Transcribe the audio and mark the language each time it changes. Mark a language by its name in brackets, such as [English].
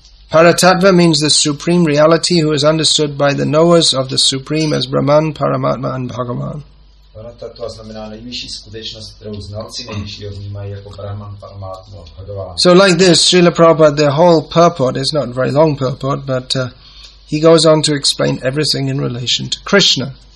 [English] Paratattva means the supreme reality who is understood by the knowers of the supreme as Brahman, Paramatma and Bhagavan. [Czech] Paratattva znamená nejvyšší skutečnost, kterou znalci nejvyššího vnímají jako Brahman, Paramatma a Bhagavan. [English] So like this, Srila Prabhupada, the whole purport is not a very long purport, but he goes on to explain everything in relation to Krishna.